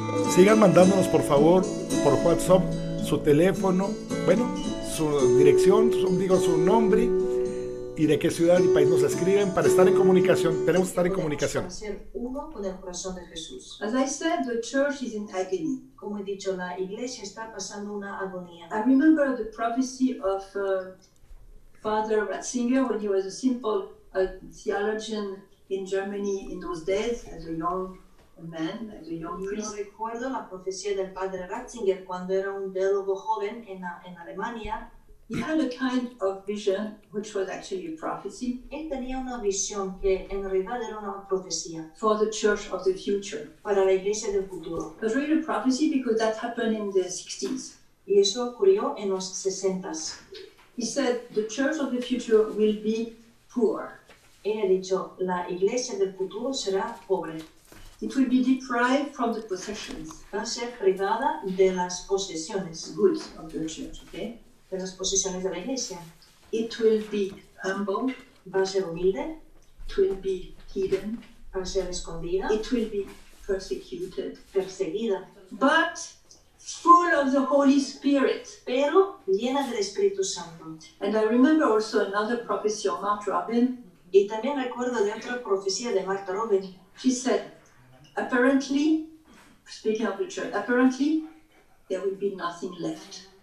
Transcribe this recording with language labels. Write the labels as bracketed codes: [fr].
[es] Sigan mandándonos, por favor, por WhatsApp, su teléfono, bueno, su dirección, digo, su nombre y de qué ciudad y país nos escriben para estar en comunicación. Tenemos que estar en comunicación. Ser uno con el corazón de Jesús. [en] As I said, the church is in agony. [es] Como he dicho, la iglesia está pasando una agonía. [en] I remember the prophecy of Father Ratzinger when he was a simple theologian in Germany in those days, as a young man, as a young priest. [es] Yo recuerdo la profecía del Padre Ratzinger cuando era un teólogo joven en Alemania. [en] He had a kind of vision, which was actually a prophecy. [es] Él tenía una visión que en realidad era una profecía. [en] For the church of the future. [es] Para la iglesia del futuro. [en] It was really a prophecy because that happened in the 60s. [es] Y eso ocurrió en los 60s. [en] He said, the church of the future will be poor. [es] Él ha dicho, la iglesia del futuro será pobre. [en] It will be deprived from the possessions. [es] Va a ser privada de las posesiones. [en] Goods of the church, okay? [es] De las posesiones de la iglesia. [en] It will be humble, [es] va a ser humilde. [en] It will be hidden, [es] va a ser escondida. [en] It will be persecuted, [es] perseguida. [en] But full of the Holy Spirit, [es] pero llena del Espíritu Santo. [en] And I remember also another prophecy of Martha Robin. [es] Y también recuerdo de otra profecía de Martha Robin. [en] She said, apparently, speaking of the church, apparently there will be nothing left.